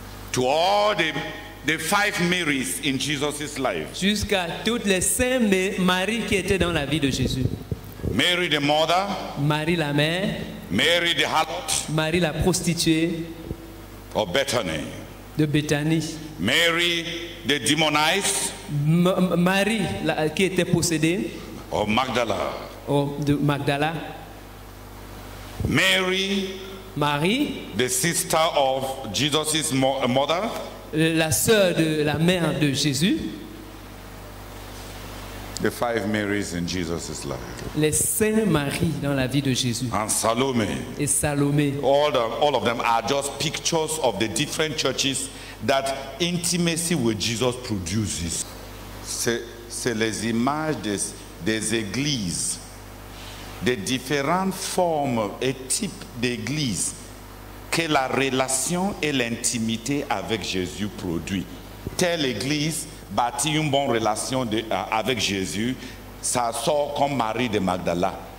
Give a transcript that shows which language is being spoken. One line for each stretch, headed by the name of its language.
English: to all the five Marys in Jesus's life,
French: jusqu'à toutes les saintes Marie qui étaient dans la vie de Jésus.
English: Mary the mother,
French: Marie la mère,
English: Mary the harlot,
French: Marie la prostituée,
English: or Bethany,
French: de Bethany,
English: Mary the demonized,
French: Marie la, qui était possédée,
English: or Magdala,
French: or de Magdala,
English: Mary,
French: Marie,
English: the sister of Jesus's mother,
French: la sœur de la mère de Jésus,
English: the five Marys in Jesus's life,
French: les saintes Marie dans la vie de Jésus,
English: and Salome,
French: et Salomé,
English: all of them are just pictures of the different churches that intimacy with Jesus produces.
French: C'est les images des églises, des différentes formes et types d'églises que la relation et l'intimité avec Jésus produit. Telle église bâtit une bonne relation avec Jésus, ça sort comme Marie de Magdala.